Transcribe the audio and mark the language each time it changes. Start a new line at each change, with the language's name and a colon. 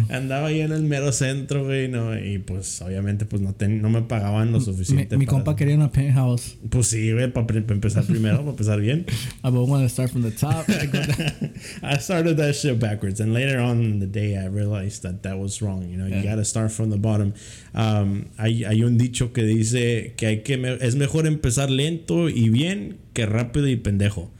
Spanish: Andaba ahí en el mero centro, güey, no, y pues, obviamente, pues, no me pagaban lo suficiente. Mi compa quería una penthouse. Pues sí, güey, para empezar primero, para empezar bien.
English: I don't want to start from the top. I started that shit backwards. And later on in the day, I realized that was wrong. You know, yeah. You got to start from the bottom.
Spanish: Hay un dicho que dice, que hay que es mejor empezar lento y bien que rápido y pendejo.